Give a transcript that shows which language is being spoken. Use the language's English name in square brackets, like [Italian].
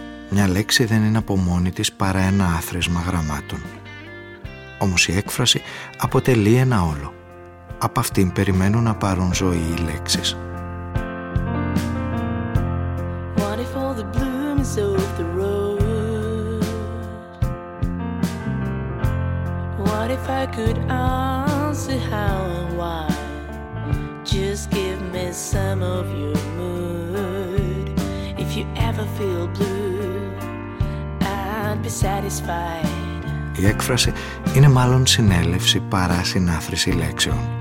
[Greek] Μια λέξη δεν είναι από μόνη της παρά ένα άθροισμα γραμμάτων. Όμως η έκφραση αποτελεί ένα όλο. Από αυτήν περιμένουν να πάρουν ζωή οι λέξεις. [English] What if all the bloom is of the rose? What if I could answer how and why? Just give me some of your mood. If you ever feel blue, I'd be satisfied. [Greek] Η έκφραση είναι μάλλον συνέλευση παρά συνάθρηση λέξεων.